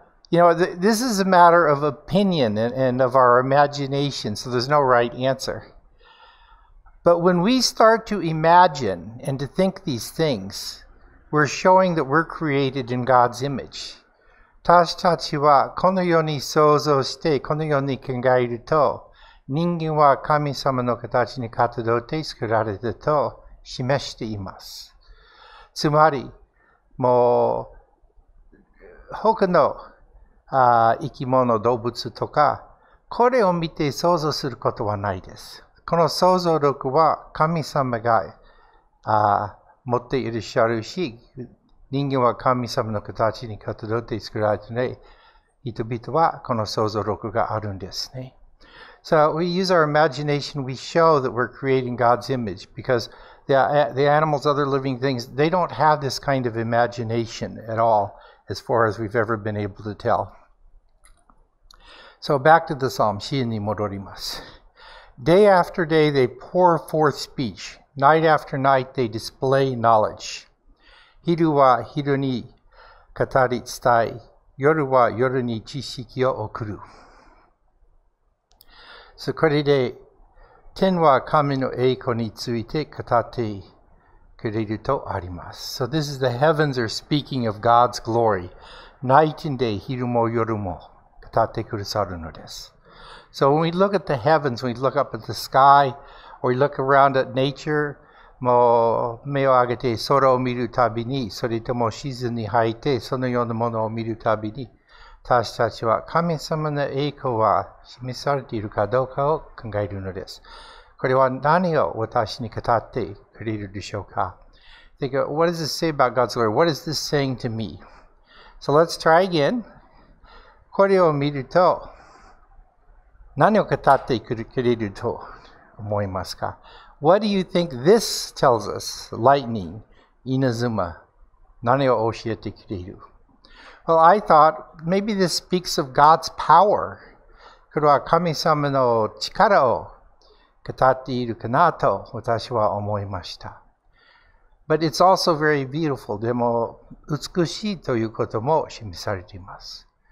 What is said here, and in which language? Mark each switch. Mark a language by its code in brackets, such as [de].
[en] you know, this is a matter of opinion and of our imagination, so there's no right answer. But when we start to imagine and to think these things, we're showing that we're created in God's image. [ja] 私たちはこのように想像して、このように考えると、人間は神様の形に活動で作られたと示しています。つまり、もう、他の生き物、動物とか、これを見て想像することはないです。この想像力は神様が持っていらっしゃるし、人間は神様の形に活動で作られてね、人々はこの想像力があるんですね。 [en] So we use our imagination, we show that we're creating God's image because the animals, other living things, they don't have this kind of imagination at all as far as we've ever been able to tell. So back to the psalm, [ja] シーンに戻ります。 [en] Day after day they pour forth speech. Night after night they display knowledge. [ja] 昼は昼に語り伝え、夜は夜に知識を送る。 So これで天は神の栄光について語ってくれるとあります。 [en] So this is the heavens are speaking of God's glory. Night and day, [ja] 昼も夜も語ってくださるのです。 [en] So when we look at the heavens, we look up at the sky, or we look around at nature, [ja] もう目を上げて空を見るたびに、それとも地図に入ってそのようなものを見るたびに、私たちは神様の栄光は示されているかどうかを考えるのです。これは何を私に語ってくれるでしょうか? [en] Think of, what does this say about God's glory? What is this saying to me? So let's try again. [ja] これを見ると、何を語ってくれると思いますか? [en] What do you think this tells us? Lightning, Inazuma, [ja] 何を教えてくれる? [en] Well, I thought maybe this speaks of God's power. [ja] これは神様の力を語っているかなと私は思いました。 [en] But it's also very beautiful. [ja] でも美しいということも示されています。